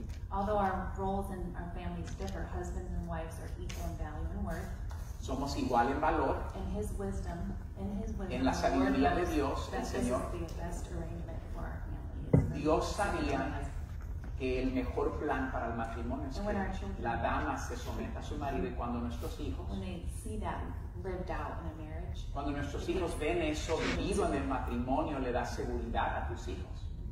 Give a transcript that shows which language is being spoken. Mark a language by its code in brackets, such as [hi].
[en] Although our roles in our families differ, husbands and wives are equal in value and worth. [es] Somos igual en valor. [en] In his wisdom, [es] en la sabiduría de Dios, el Señor. [en] This is the best arrangement for our families. [es] Dios sabía que el mejor plan para el matrimonio es que la dama se someta a su marido y cuando nuestros hijos. [en] When they see that lived out in a marriage. [es] Cuando nuestros hijos ven eso vivido en el matrimonio, le da seguridad a tus hijos.